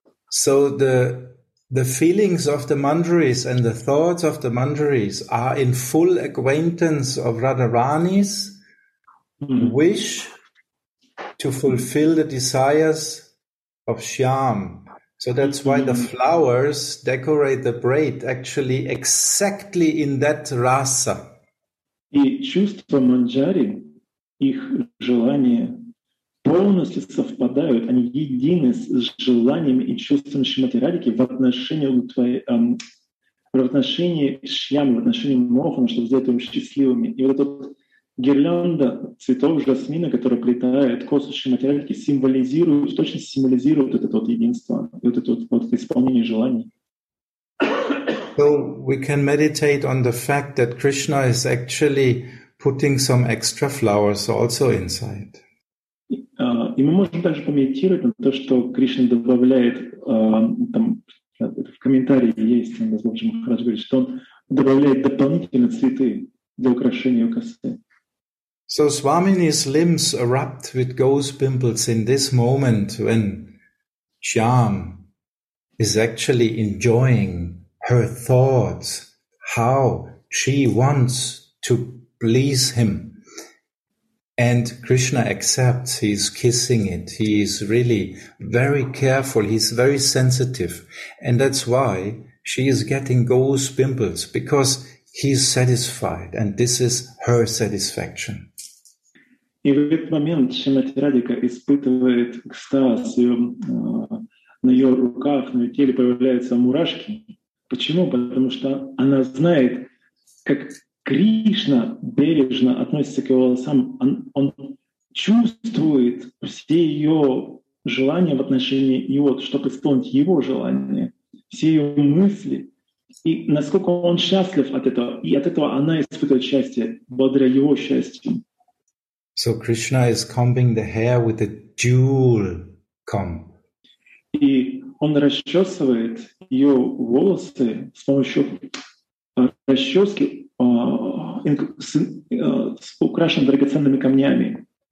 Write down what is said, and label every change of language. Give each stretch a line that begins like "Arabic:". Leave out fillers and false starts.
English: So the feelings of the Manjaris and the thoughts of the Manjaris are in full acquaintance of Radharani's wish to fulfill the desires of Shyam. So that's why the flowers decorate the braid actually exactly in that rasa.
Russian: И чувства Манджари, их желания полностью совпадают, они едины с желаниями и чувствами Шримати Радхики в отношении Шьямы, в отношении Мохана, чтобы сделать его счастливыми. И вот эта гирлянда цветов жасмина, которая плетает косу Шримати Радхики, символизирует это вот единство, вот это вот исполнение желаний.
English: So we can meditate on the fact that Krishna is actually putting some extra flowers also inside.
Russian: И мы можем также помедитировать на то, что Кришна добавляет, там в комментарии есть, он должен хорошо говорить, что он добавляет дополнительные цветы для украшения косы.
English: So Swamini's limbs erupt with gauze pimples in this moment when Shyam is actually enjoying her thoughts, how she wants to please him. And Krishna accepts, he's kissing it, he is really very careful, he's very sensitive. And that's why she is getting gauze pimples, because he's satisfied, and this is her satisfaction.
Russian: И в этот момент Шримати Радика испытывает экстаз, ее, на ее руках, на ее теле появляются мурашки. Почему? Потому что она знает, как Кришна бережно относится к ее волосам. Он чувствует все ее желания в отношении его, чтобы исполнить его желания, все ее мысли. И насколько он счастлив от этого. И от этого она испытывает счастье, благодаря его счастью.
English: So Krishna is combing the hair with a jewel comb.
Russian: И он расчесывает ее волосы с помощью расчески, украшенной драгоценными камнями.